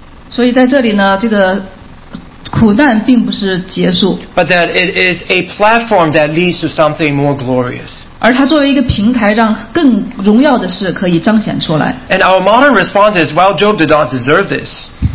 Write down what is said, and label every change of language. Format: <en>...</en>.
<zh>所以在这里呢，这个苦难并不是结束。</zh> <en>But that it is a platform that leads to something more glorious.</en> <zh>而它作为一个平台让更荣耀的事可以彰显出来</zh> <en>And our modern response is Well, Job did not deserve this</en>